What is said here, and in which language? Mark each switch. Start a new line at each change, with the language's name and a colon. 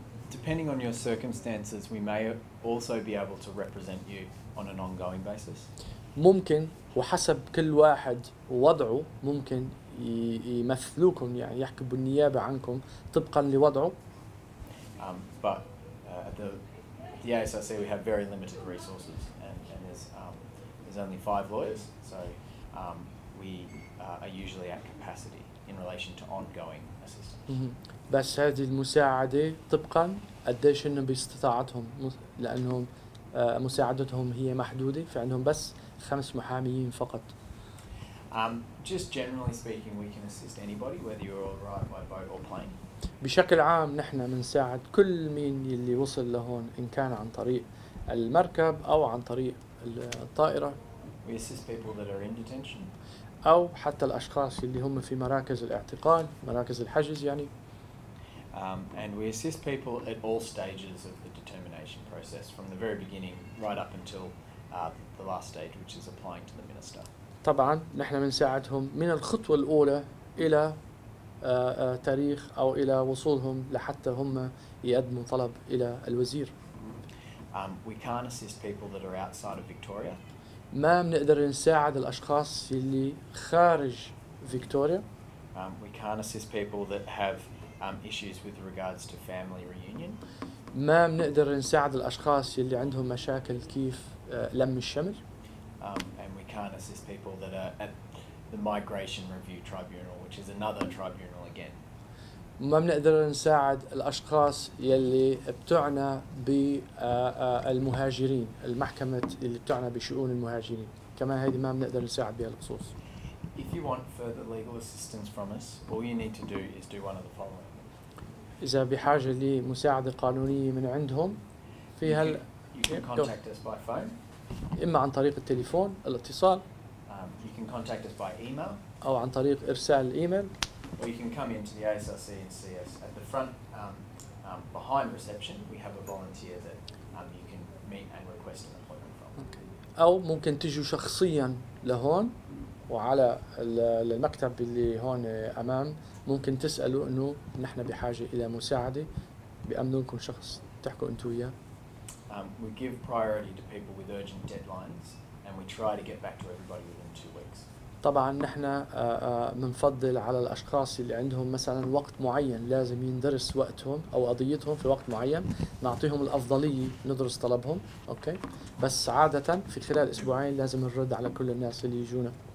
English: Depending on your circumstances, we may also be able to represent you on an ongoing basis.
Arabic: ممكن وحسب كل واحد وضعه ممكن يمثلوكم يعني يحكي بالنيابة عنكم طبقا لوضعه.
English: But the ASRC we have very limited resources and there's only 5 lawyers, so we are usually at capacity in relation to ongoing assistance.
Arabic: بس هذه المساعدة طبقا قديش إنه باستطاعتهم لأنهم مساعدتهم هي محدودة في عندهم بس 5 محاميين فقط.
English: Just generally speaking, we can assist anybody, whether you're all right by boat or plane.
Arabic: بشكل عام نحن منساعد كل مين اللي وصل لهون إن كان عن طريق المركب أو عن طريق الطائرة.
English: We assist people that are in detention.
Arabic: أو حتى الأشخاص اللي هم في مراكز الاعتقال، مراكز الحجز يعني.
English: And we assist people at all stages of the determination process, from the very beginning right up until the last stage, which is applying to the minister.
Arabic: طبعا نحن بنساعدهم من الخطوة الأولى إلى تاريخ أو إلى وصولهم لحتى هم يقدموا طلب إلى الوزير.
English: We can't assist people that are outside of Victoria.
Arabic: ما بنقدر نساعد الأشخاص اللي خارج فيكتوريا.
English: We can't assist people that have issues with regards to family reunion.
Arabic: ما بنقدر نساعد الأشخاص اللي عندهم مشاكل كيف لم الشمل.
English: And we can't assist people that are at the migration review tribunal, which is another tribunal again.
Arabic: ما بنقدر نساعد الأشخاص يلي بتعنى بالمهاجرين المحكمة اللي بتعنى بشؤون المهاجرين كمان هذه ما بنقدر نساعد بها الخصوص.
English: If you want further legal assistance from us, all you need to do is do one of the following.
Arabic: إذا بحاجة لمساعدة قانونية من عندهم في هال.
English: You can contact us by phone.
Arabic: إما عن طريق التليفون الاتصال.
English: You can contact us by email.
Arabic: أو عن طريق إرسال الإيميل.
English: Or you can come into the ASRC and see us at the front behind reception, we have a volunteer that you can meet and request an appointment from. Okay.
Arabic: أو ممكن تجوا شخصياً لهون وعلى المكتب اللي هون أمام ممكن تسألوا إنه نحن بحاجة إلى مساعدة بأمنكم شخص تحكوا أنتوا إياه.
English: We give priority to people with urgent deadlines, and we try to get back to everybody within 2 weeks.
Arabic: طبعاً نحن منفضل على الأشخاص اللي عندهم مثلاً وقت معين لازم يندرس وقتهم أو قضيتهم في وقت معين نعطيهم الأفضلية ندرس طلبهم أوكي بس عادة في خلال أسبوعين لازم نرد على كل الناس اللي يجونا.